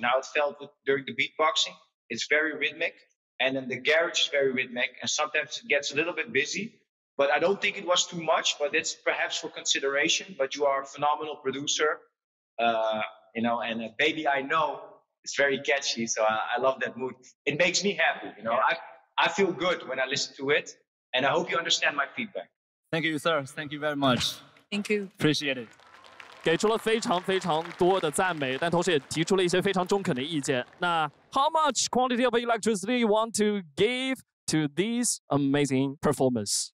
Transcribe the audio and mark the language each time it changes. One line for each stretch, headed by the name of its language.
English: Now it felt during the beatboxing, it's very rhythmic, and then the garage is very rhythmic, and sometimes it gets a little bit busy, but I don't think it was too much, but it's perhaps for consideration, but you are a phenomenal producer, you know, and Baby I Know, it's very catchy, so I love that mood. It makes me happy, you know, I feel good when I listen to it, and I hope you understand my feedback. Thank you, sir, thank you very much. Thank you. Appreciate it.
Chinese: 给出了非常非常多的赞美，但同时也提出了一些非常中肯的意见。
English: 那 how much quantity of electricity you want to give to this amazing performance?